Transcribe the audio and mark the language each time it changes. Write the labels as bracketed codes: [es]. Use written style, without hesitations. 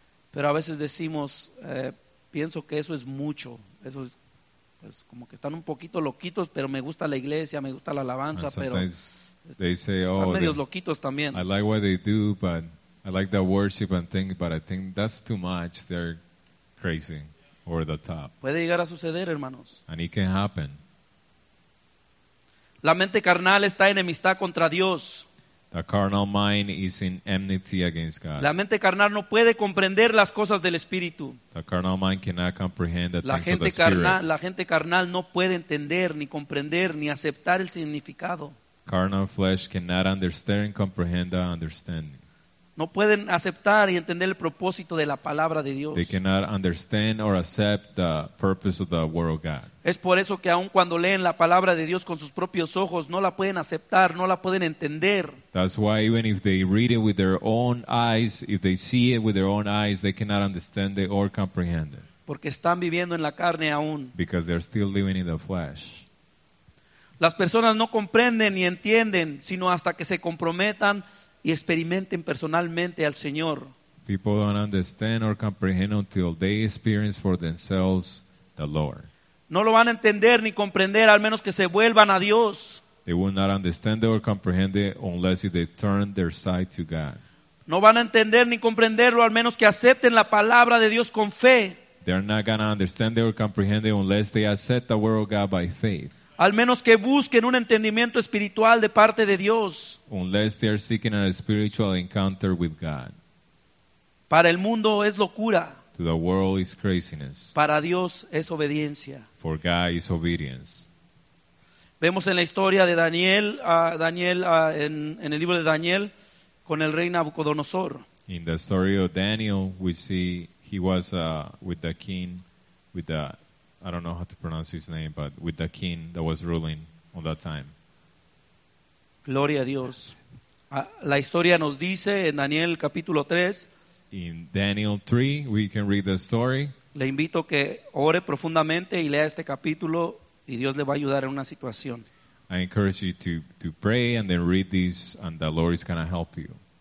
[es] Pero a veces decimos, pienso que eso es mucho. Eso es pues, como que están un poquito loquitos, pero me gusta la iglesia, me gusta la alabanza, pero [en] they say, oh, [es] están medios loquitos también. [en] I like what they do, but I like the worship and thing, but I think that's too much. They're crazy, over the top. [es] Puede llegar a suceder, hermanos. [en] And it can happen. [es] La mente carnal está enemistad contra Dios. [en] The carnal mind is in enmity against God. [es] La mente carnal no puede comprender las cosas del Espíritu. [en] The carnal mind cannot comprehend the [es] la [en] things [es] gente [en] of the carna- Spirit. [es] La gente carnal no puede entender, ni comprender, ni aceptar el significado. [en] Carnal flesh cannot understand and comprehend the understanding. [es] No pueden aceptar y entender el propósito de la palabra de Dios. [en] They cannot understand or accept the purpose of the word of God. [es] Es por eso que aun cuando leen la palabra de Dios con sus propios ojos, no la pueden aceptar, no la pueden entender. [en] That's why even if they read it with their own eyes, if they see it with their own eyes, they cannot understand it or comprehend it. [es] Porque están viviendo en la carne aún. [en] Because they're still living in the flesh. [es] Las personas no comprenden ni entienden, sino hasta que se comprometan y experimenten personalmente al Señor. [en] People don't understand or comprehend until they experience for themselves the Lord. [es] No lo van a entender ni comprender al menos que se vuelvan a Dios. [en] They will not understand or comprehend it unless they turn their sight to God. [es] No van a entender ni comprenderlo al menos que acepten la palabra de Dios con fe. [en] They are not going to understand or comprehend it unless they accept the word of God by faith. [es] Al menos que busquen un entendimiento espiritual de parte de Dios. [en] Unless they are seeking a spiritual encounter with God. [es] Para el mundo es locura. [en] To the world is craziness. [es] Para Dios es obediencia. [en] For God is obedience. [es] Vemos en la historia de Daniel, en el libro de Daniel, con el rey Nabucodonosor. [en] In the story of Daniel, we see he was with the king, with the I don't know how to pronounce his name, but with the king that was ruling on that time. [es] Gloria a Dios. La historia nos dice en Daniel capítulo 3. [en] In Daniel 3, we can read the story. [es] Le invito que ore profundamente y lea este capítulo y Dios le va a ayudar en una situación. [en] I encourage you to pray and then read this and the Lord is going to help you.